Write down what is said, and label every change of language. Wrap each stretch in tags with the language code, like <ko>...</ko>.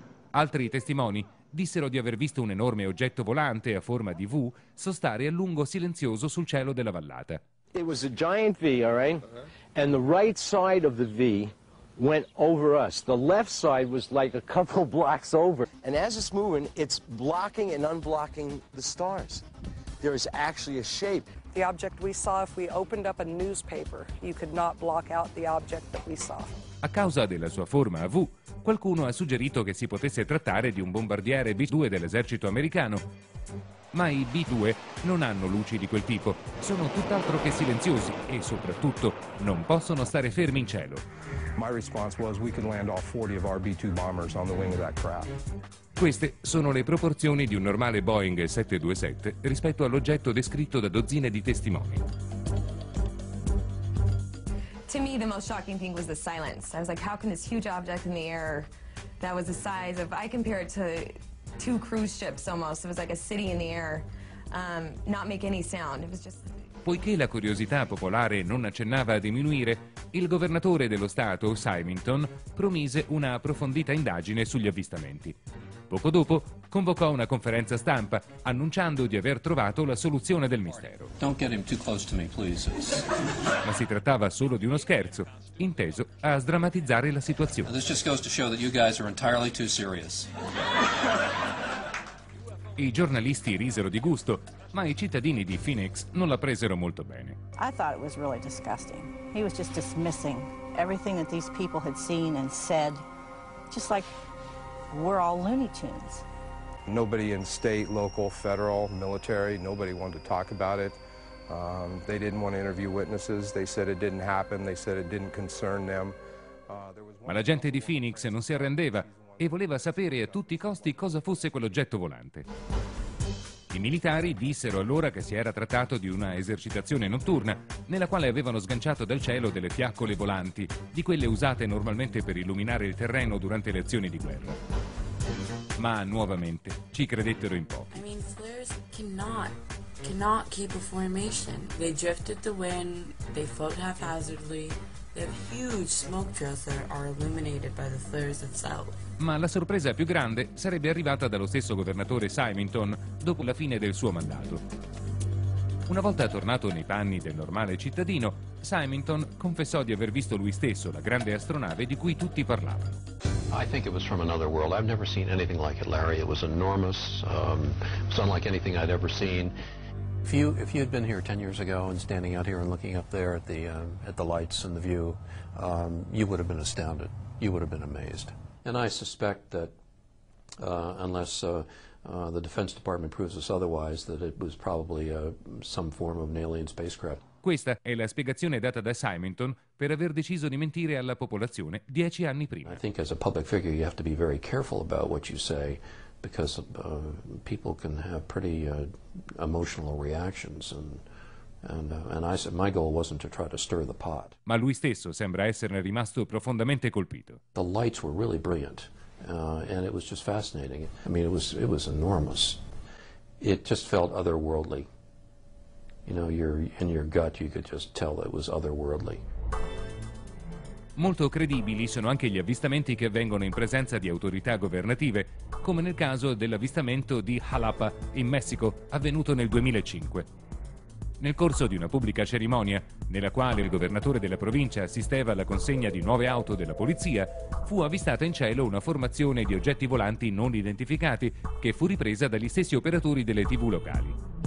<it>Altri testimoni dissero di aver visto un enorme oggetto volante a forma di V sostare a lungo silenzioso sul cielo della vallata.</it> <en>It was a giant V, all right? And the right side of the V went over us. The left side was like a couple blocks over. And as it's moving, it's blocking and unblocking the stars. There is actually a shape. the object we saw, if we opened up a newspaper, you could not block out the object that we saw.</en> <it>A causa della sua forma a V, qualcuno ha suggerito che si potesse trattare di un bombardiere B-2 dell'esercito americano. Ma i B-2 non hanno luci di quel tipo, sono tutt'altro che silenziosi e soprattutto non possono stare fermi in cielo.</it> <en>My response was we could land all 40 of our B-2 bombers on the wing of that craft.</en> <it>Queste sono le proporzioni di un normale Boeing 727 rispetto all'oggetto descritto da dozzine di testimoni.</it> <en>To me the most shocking thing was the silence. I was like, how can this huge object in the air that was the size of, I compare it to two cruise ships almost, it was like a city in the air, not make any sound. It was just...</en> <it>Poiché la curiosità popolare non accennava a diminuire, il governatore dello Stato, Symington, promise una approfondita indagine sugli avvistamenti. Poco dopo, convocò una conferenza stampa, annunciando di aver trovato la soluzione del mistero.</it> <en>Don't get him too close to me, please.</en> <it>Ma si trattava solo di uno scherzo, inteso a sdrammatizzare la situazione.</it> <en>This just goes to show that you guys are entirely too serious.</en> <it>I giornalisti risero di gusto, ma i cittadini di Phoenix non la presero molto bene.</it> <en>I thought it was really disgusting. He was just dismissing everything that these people had seen and said, just like we're all Looney Tunes. Nobody in state, local, federal, military, nobody wanted to talk about it. They didn't want to interview witnesses. They said it didn't happen. They said it didn't concern them.</en> <it>Ma la gente di Phoenix non si arrendeva e voleva sapere a tutti i costi cosa fosse quell'oggetto volante. I militari dissero allora che si era trattato di una esercitazione notturna nella quale avevano sganciato dal cielo delle fiaccole volanti, di quelle usate normalmente per illuminare il terreno durante le azioni di guerra. Ma nuovamente ci credettero in pochi.</it> <en>I mean, flares cannot keep a formation. They drifted the wind, they float haphazardly. They have huge smoke trails that are illuminated by the flares itself.</en> <it>Ma la sorpresa più grande sarebbe arrivata dallo stesso governatore Symington dopo la fine del suo mandato. Una volta tornato nei panni del normale cittadino, Symington confessò di aver visto lui stesso la grande astronave di cui tutti parlavano.</it> <en>I think it was from another world. I've never seen anything like it, Larry. It was enormous. It was unlike anything I'd ever seen. If you had been here 10 years ago and standing out here and looking up there at the lights and the view, you would have been astounded. You would have been amazed. And I suspect that unless the Defense Department proves us otherwise, that it was probably some form of an alien spacecraft.</en> <it>Questa è la spiegazione data da Symington per aver deciso di mentire alla popolazione 10 anni prima.</it> <en>I think as a public figure you have to be very careful about what you say, because people can have pretty emotional reactions, and I said my goal wasn't to try to stir the pot.</en> <it>Ma lui stesso sembra esserne rimasto profondamente colpito.</it> <en>The lights were really brilliant, and it was just fascinating. I mean, it was enormous. It just felt otherworldly. You know, in your gut you could just tell it was otherworldly.</en> <it>Molto credibili sono anche gli avvistamenti che avvengono in presenza di autorità governative, come nel caso dell'avvistamento di Jalapa, in Messico, avvenuto nel 2005. Nel corso di una pubblica cerimonia, nella quale il governatore della provincia assisteva alla consegna di nuove auto della polizia, fu avvistata in cielo una formazione di oggetti volanti non identificati, che fu ripresa dagli stessi operatori delle TV locali.</it>